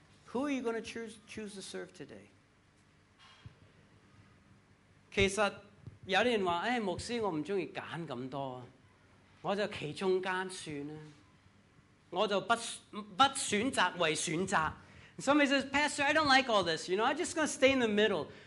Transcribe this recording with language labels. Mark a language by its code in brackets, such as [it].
[en] Who are you going to choose to serve today? [zh] 其实有人说，牧师，我不喜欢选这么多，我就其中间算了，我就不选择为选择. [en] Somebody says, Pastor, I don't like all this. You know, I'm just going to stay in the middle.